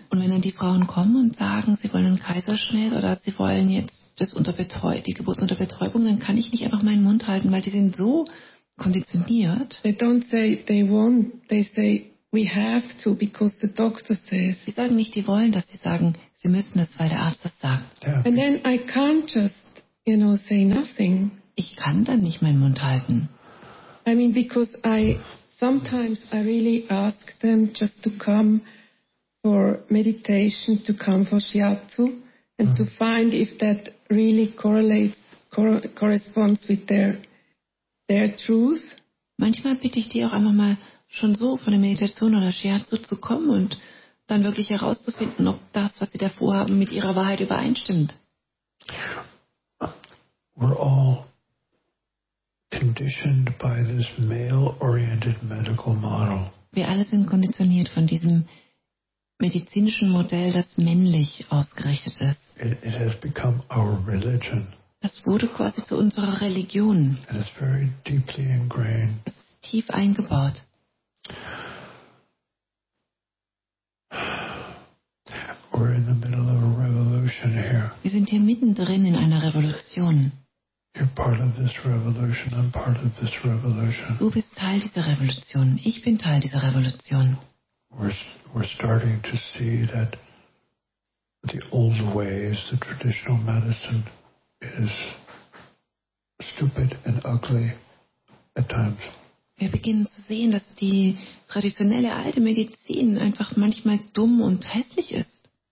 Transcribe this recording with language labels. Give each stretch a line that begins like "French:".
German: Und wenn dann die Frauen kommen und sagen, sie wollen einen Kaiserschnitt oder sie wollen jetzt das unter die Geburt unter Betäubung, dann kann ich nicht einfach meinen Mund halten, weil die sind so konditioniert.
English: They don't say they want. They say. We have to, because the doctor says.
German: Sie sagen nicht, die wollen das. Sie sagen, sie müssen das, weil der Arzt das sagt.
English: Yeah. And then I can't just, you know, say nothing.
German: Ich kann dann nicht meinen Mund halten.
English: I mean, because I sometimes I really ask them just to come for meditation, to come for shiatsu, and to find if that really corresponds with their truth.
German: Manchmal bitte ich die auch einfach mal schon so von der Meditation oder Shiatsu zu kommen und dann wirklich herauszufinden, ob das, was sie da vorhaben, mit ihrer Wahrheit übereinstimmt.
English: We're all conditioned by this male-oriented medical model.
German: Wir alle sind konditioniert von diesem medizinischen Modell, das männlich ausgerichtet ist.
English: It has become our religion.
German: Das wurde quasi zu unserer Religion.
English: And it's very deeply ingrained.
German: Es ist tief eingebaut.
English: We're in the middle of a revolution here.
German: Wir sind hier mittendrin in einer Revolution.
English: You're part of this revolution. I'm part of this revolution.
German: Du bist Teil dieser Revolution. Ich bin Teil dieser Revolution.
English: We're starting to see that the old ways, the traditional medicine, is stupid and ugly at times.
German: Wir beginnen zu sehen, dass die traditionelle alte Medizin einfach manchmal dumm und hässlich ist.